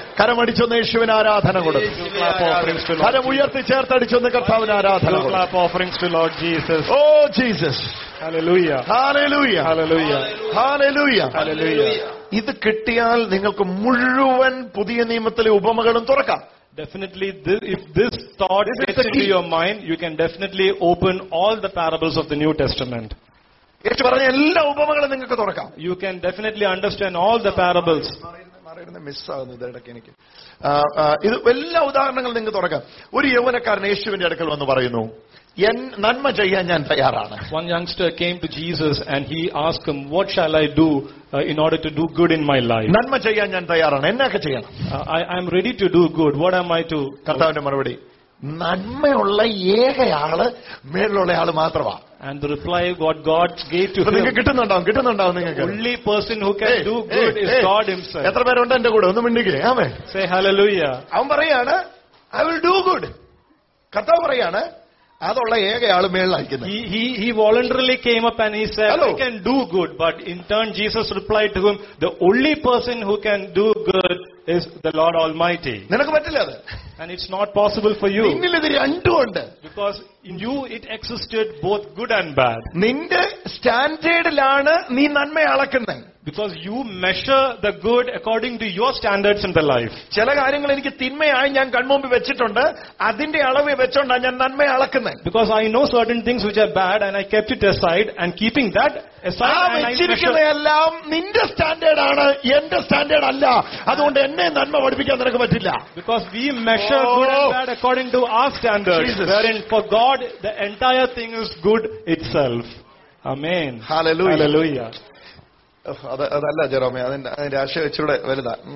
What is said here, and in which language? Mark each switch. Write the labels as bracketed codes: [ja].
[ml] കരം അടിച്ചൊന്ന് യേശുവിന് ആരാധന കൊടുത്തു. കരം ഉയർത്തി ചേർത്തടിച്ചൊന്ന് കർത്താവിന് ആരാധന കൊടുത്തു. [en] Oh Jesus. Hallelujah. Hallelujah. Hallelujah. Hallelujah. Hallelujah. [ml] ഇത് കിട്ടിയാൽ നിങ്ങൾക്ക് മുഴുവൻ പുതിയ നിയമത്തിലെ ഉപമകളും തുറക്കാം. [en] Definitely, if this thought gets into your mind, you can definitely open all the parables of the New Testament. [ml] ഏറ്റവും പറഞ്ഞ എല്ലാ ഉപമകളും നിങ്ങൾക്ക് തുറക്കാം. [en] You can definitely understand all the parables. [ml] മിസ്സാകുന്നു ഇതിടയ്ക്ക് എനിക്ക്. ഇത് എല്ലാ ഉദാഹരണങ്ങളും നിങ്ങൾക്ക് തുറക്കാം. ഒരു യൗവനക്കാരൻ യേശുവിന്റെ അടുക്കൽ വന്ന് പറയുന്നു, എൻ നന്മ ചെയ്യാൻ ഞാൻ തയ്യാറാണ്. [en] One youngster came to Jesus and he asked him, what shall I do in order to do good in my life? [ml] നന്മ ചെയ്യാൻ ഞാൻ തയ്യാറാണ്, എന്നൊക്കെ ചെയ്യണം? [en] I am ready to do good, what am I to? [ml] കർത്താവിന്റെ മറുപടി, നന്മയുള്ള ഏകയാള് മേലുള്ള ആള് മാത്രമാ. [en] And the reply what God gave to [ml] him. കിട്ടുന്നുണ്ടാവും നിങ്ങൾക്ക്. [en] Only person who can do good is God himself. [ml] എത്ര പേരുണ്ട് എന്റെ കൂടെ ഒന്ന് മിണ്ടിക്കേ. ആമേൻ. [en] Say hallelujah. [ml] അവൻ പറയാണ്, [en] I will do good. [ml] കർത്താവ് പറയാണ്, അതുള്ള ഏകയാള് മേളിലായിരിക്കുന്നു. [en] He voluntarily came up and he said, I can do good. But in turn Jesus replied to him, the only person who can do good is the Lord Almighty. [ml] നിനക്ക് പറ്റില്ല അത്. [en] And it's not possible for you. [ml] നിന്നിൽ ഇത് രണ്ടും ഉണ്ട്. [en] Because in you it existed both good and bad. [ml] നിന്റെ സ്റ്റാൻഡേർഡിലാണ് നീ നന്മയെ അളക്കുന്നത്. [en] Because you measure the good according to your standards in the life. [ml] ചില കാര്യങ്ങൾ എനിക്ക് തിന്മയായി ഞാൻ കൺമുമ്പിൽ വെച്ചിട്ടുണ്ട്, അതിന്റെ അളവ് വെച്ചോണ്ടാണ് ഞാൻ നന്മയെ അളക്കുന്നത്. [en] Because I know certain things which are bad and I kept it aside and keeping that aside. [ml] എല്ലാം നിന്റെ സ്റ്റാൻഡേർഡ് ആണ്, എന്റെ സ്റ്റാൻഡേർഡ് അല്ല. അതുകൊണ്ട് എന്നെ നന്മ പഠിപ്പിക്കാൻ നിനക്ക് പറ്റില്ല. [en] Because we measure good and bad according to our standards. Wherein for God the entire thing is good itself. Amen. Hallelujah. Hallelujah. [ml] അത് അതല്ല ജെറോമി, അതിന്റെ അതിന്റെ ആശയ വെച്ചൂടെ വലുതാ.